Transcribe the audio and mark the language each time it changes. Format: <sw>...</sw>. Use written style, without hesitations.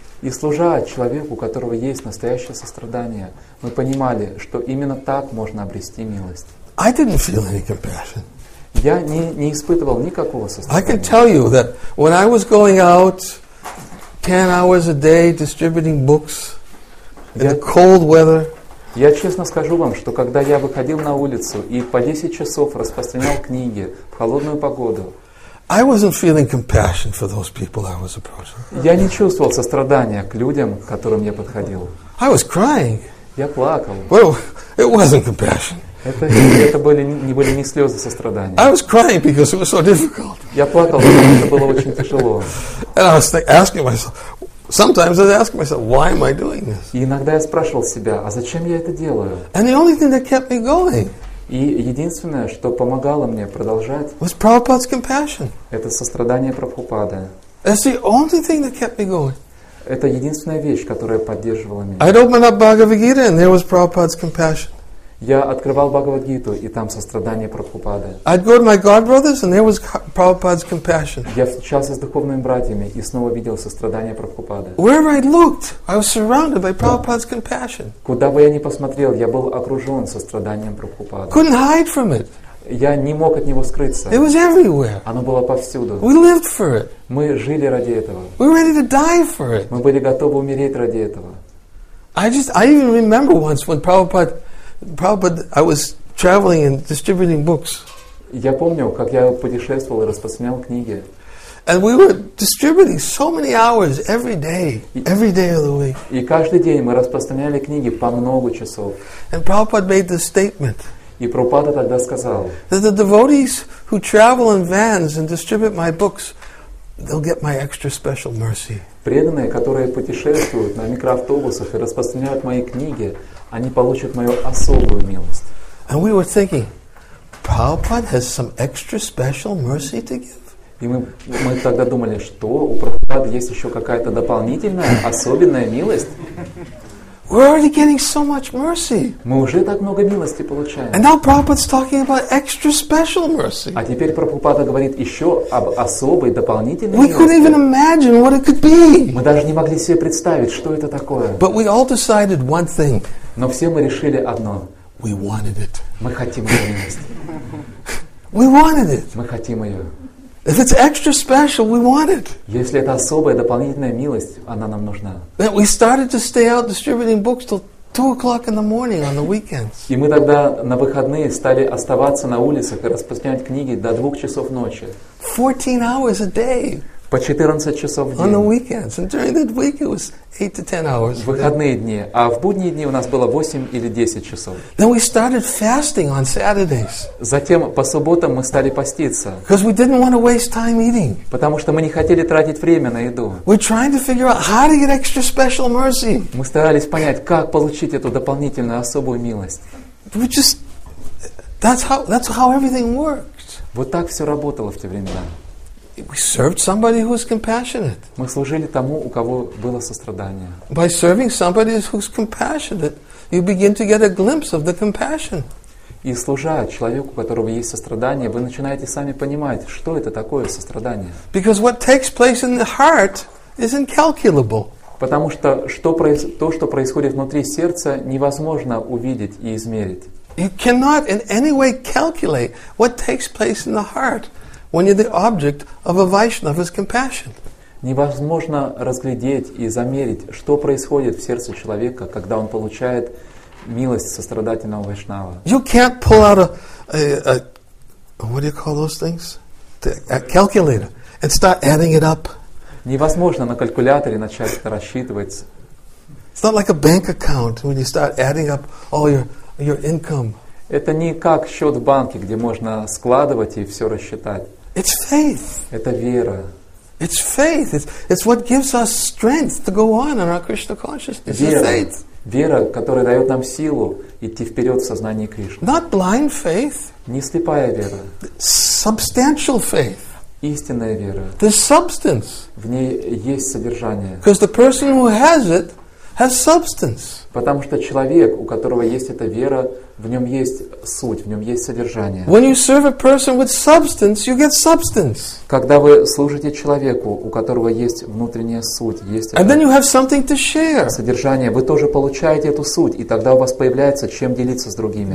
<ru>И служа человеку, у которого есть настоящее сострадание, мы понимали, что именно так можно обрести милость.</ru> <en>I didn't feel any compassion.</en> <ru>Я не испытывал никакого сострадания.</ru> <en>I can tell you that when I was going out 10 hours a day distributing books in the cold weather.</en> <ru>Я честно скажу вам, что когда я выходил на улицу и по 10 часов распространял книги в холодную погоду,</ru> <en>I wasn't feeling compassion for those people I was approaching.</en> <ru>Я не чувствовал сострадания к людям, к которым я подходил.</ru> <en>I was crying.</en> <ru>Я плакал.</ru> <en>Well, it wasn't compassion.</en> <ru>Это были не слезы сострадания.</ru> <en>I was crying because it was so difficult.</en> <ru>Я плакал, потому что было очень тяжело.</ru> <en>And I was asking myself, sometimes I'd ask myself, why am I doing this?</en> <ru>И иногда я спрашивал себя, а зачем я это делаю?</ru> <en>And the only thing that kept me going.</en> <ru>И единственное, что помогало мне продолжать.</ru> <en>Was Prabhupada's compassion.</en> <ru>Это сострадание Прабхупады.</ru> <en>That's the only thing that kept me going.</en> <ru>Это единственная вещь, которая поддерживала меня.</ru> <en>I'd open up Bhagavad Gita, and there was Prabhupada's compassion.</en> <ru>Я открывал Бхагавад-гиту, и там сострадание Прабхупады.</ru> <en>I'd go to my godbrothers, and there was Prabhupada's compassion.</en> <ru>Я встречался с духовными братьями и снова видел сострадание Прабхупады.</ru> <en>Wherever I looked, I was surrounded by Prabhupada's compassion.</en> <ru>Куда бы я ни посмотрел, я был окружен состраданием Прабхупады.</ru> <en>Couldn't hide from it.</en> <ru>Я не мог от него скрыться.</ru> <en>It was everywhere.</en> <ru>Оно было повсюду.</ru> <en>We lived for it.</en> <ru>Мы жили ради этого.</ru> <en>We were ready to die for it.</en> <ru>Мы были готовы умереть ради этого.</ru> <en>I even remember once when Prabhupada, I was traveling and distributing books.</en> <ru>Я помню, как я путешествовал и распространял книги.</ru> <en>And we were distributing so many hours every day of the week.</en> <ru>И каждый день мы распространяли книги по много часов.</ru> <en>And Prabhupada made this statement.</en> <ru>И Прабхупада тогда сказал.</ru> <en>That the devotees who travel in vans and distribute my books, they'll get my extra special mercy.</en> <ru>Преданные, которые путешествуют на микроавтобусах и распространяют мои книги, они получат мою особую милость.</ru> <en>And we were thinking, Prabhupada has some extra special mercy to give.</en> <ru>И мы тогда думали, что у Прабхупады есть еще какая-то дополнительная особенная милость.</ru> <en>We're already getting so much mercy.</en> <ru>Мы уже так много милости получаем.</ru> <en>And now Prabhupada's talking about extra special mercy.</en> <ru>А теперь Прабхупада говорит еще об особой дополнительной</ru> <en>we</en> <ru>милости.</ru> <en>We couldn't even imagine what it could be.</en> <ru>Мы даже не могли себе представить, что это такое.</ru> <en>But we all decided one thing.</en> <ru>Но все мы решили одно.</ru> <en>We wanted it.</en> <ru>Мы хотим эту милость.</ru> <en>We wanted it.</en> <ru>Мы хотим ее.</ru> <en>If it's extra special, we want it.</en> <ru>Если это особая дополнительная милость, она нам нужна.</ru> <en>Then we started to stay out distributing books till 2 o'clock in the morning on the weekends.</en> <ru>И мы тогда на выходные стали оставаться на улицах и распространять книги до 2 часов ночи.</ru> <en>14 hours a day.</en> <ru>По 14 часов в день.</ru> <en>On the weekends. And during that week it was 8 to 10 hours.</en> <ru>В выходные дни. А в будние дни у нас было 8 или 10 часов.</ru> <en>Then we started fasting on Saturdays.</en> <ru>Затем по субботам мы стали поститься.</ru> <en>Because we didn't want to waste time eating.</en> <ru>Потому что мы не хотели тратить время на еду.</ru> <en>We're trying to figure out how to get extra special mercy.</en> <ru>Мы старались понять, как получить эту дополнительную особую милость.</ru> <en>We just... That's how everything worked.</en> <ru>Вот так все работало в те времена.</ru> <en>We served somebody who is compassionate.</en> <ru>Мы служили тому, у кого было сострадание.</ru> <en>By serving somebody who's compassionate, you begin to get a glimpse of the compassion.</en> <ru>И служа человеку, у которого есть сострадание, вы начинаете сами понимать, что это такое сострадание.</ru> <en>Because what takes place in the heart is incalculable.</en> <ru>Потому что то, что происходит внутри сердца, невозможно увидеть и измерить.</ru> <en>You cannot in any way calculate what takes place in the heart when you're the object of a Vaishnava's compassion.</en> <ru>Невозможно разглядеть и замерить, что происходит в сердце человека, когда он получает милость сострадательного Вайшнава.</ru> <en>You can't pull out a what do you call those things? A calculator and start adding it up.</en> <ru>Невозможно на калькуляторе начать рассчитывать.</ru> <en>It's not like a bank account when you start adding up all your income.</en> <ru>Это не как счет в банке, где можно складывать и все рассчитать.</ru> <en>It's faith.</en> <ru>Это вера.</ru> <en>It's faith. It's what gives us strength to go on our Krishna consciousness. It's faith.</en> <ru>Вера, которая дает нам силу идти вперед в сознании Кришны.</ru> <en>Not blind faith.</en> <ru>Не слепая вера.</ru> <en>Substantial faith.</en> <ru>Истинная вера.</ru> <en>The substance.</en> <ru>В ней есть содержание.</ru> <en>Because the person who has it has substance.</en> <ru>Потому что человек, у которого есть эта вера, в нем есть суть, в нем есть содержание.</ru> <en>When you serve a person with substance, you get substance.</en> <ru>Когда вы служите человеку, у которого есть внутренняя суть, есть</ru> <en>And then you have something to share.</en> <ru>Содержание, вы тоже получаете эту суть, и тогда у вас появляется чем делиться с другими.</ru>